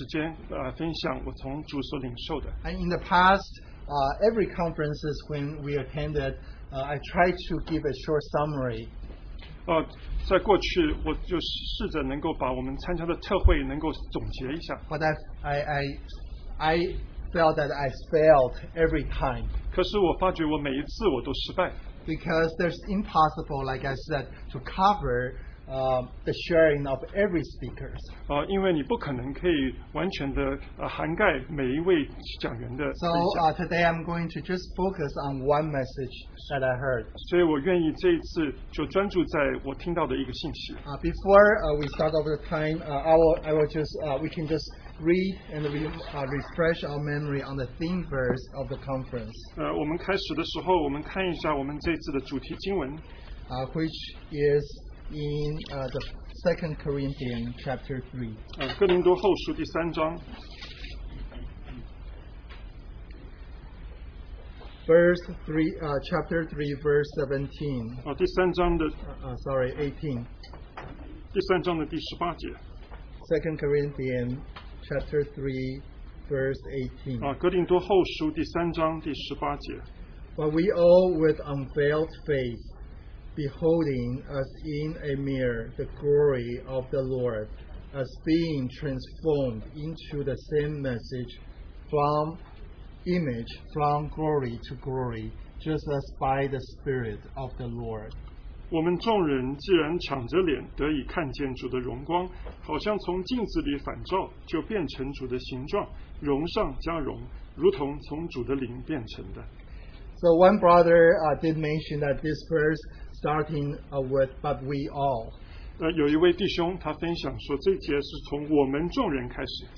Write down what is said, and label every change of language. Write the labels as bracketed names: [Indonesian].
[Chinese] 既然我站在这儿，我愿意就用一点时间分享我从主所领受的。 [English] And in the past, every conferences when we attended, I tried to give a short summary. [Chinese] 在过去，我就试着能够把我们参加的特会能够总结一下。 [English] But I felt that I failed every time. [Chinese] 可是我发觉我每一次我都失败。 [English] Because there's impossible, like I said, to cover the sharing of every speaker. [Chinese] 因为你不可能可以完全的涵盖每一位讲员的分享。 [English] So today I'm going to just focus on one message that I heard. [Chinese] 所以我愿意这一次就专注在我听到的一个信息。 [English] Before we start over the time, we can just read and refresh our memory on the theme verse of the conference. [Chinese] 我们开始的时候，我们看一下我们这次的主题经文。 [English] Which is in the 2 Corinthians chapter 3. [Chinese] 哥林多后书第三章。 [English] Verse 3, chapter 3, verse 17. [Chinese] 第三章的。 [English] 18. [Chinese] 第三章的第18节。 [English] 2 Corinthians chapter 3, verse 18. [Chinese] 哥林多后书第三章第18节。 [English] But we all with unveiled face, beholding as in a mirror the glory of the Lord, as being transformed into the same message from image, from glory to glory, just as by the Spirit of the Lord. [Chinese] 我们众人既然敞着脸得以看见主的荣光，好像从镜子里反照，就变成主的形状，容上加容，如同从主的灵变成的。 [English] So one brother did mention that this verse starting with "but we all." [Chinese] 有一位弟兄他分享说，这节是从我们众人开始。